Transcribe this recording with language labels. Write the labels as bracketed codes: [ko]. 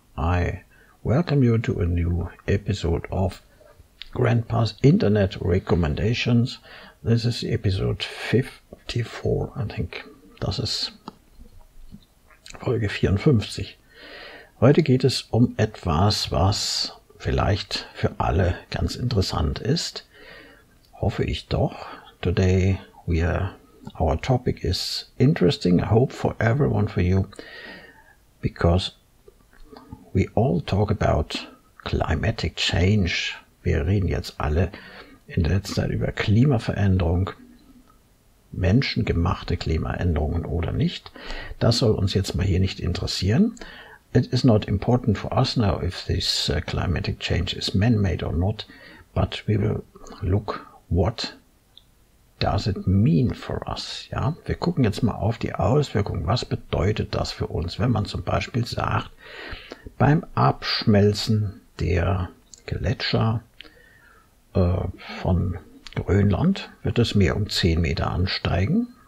[en] I welcome you to a new episode of Grandpa's Internet Recommendations. This is episode 54, I think. [de] Das ist Folge 54. Heute geht es um etwas, was vielleicht für alle ganz interessant ist. Hoffe ich doch. [en] Today we are, our topic is interesting. I hope for everyone, for you. Because we all talk about climatic change. [de] Wir reden jetzt alle in letzter Zeit über Klimaveränderung. Menschengemachte Klimaänderungen oder nicht. Das soll uns jetzt mal hier nicht interessieren. [en] It is not important for us now if this climatic change is man-made or not, but we will look what does it mean for us. [de] Ja, wir gucken jetzt mal auf die Auswirkungen. Was bedeutet das für uns, wenn man zum Beispiel sagt, beim Abschmelzen der Gletscher von Grönland wird das Meer um 10 Meter ansteigen.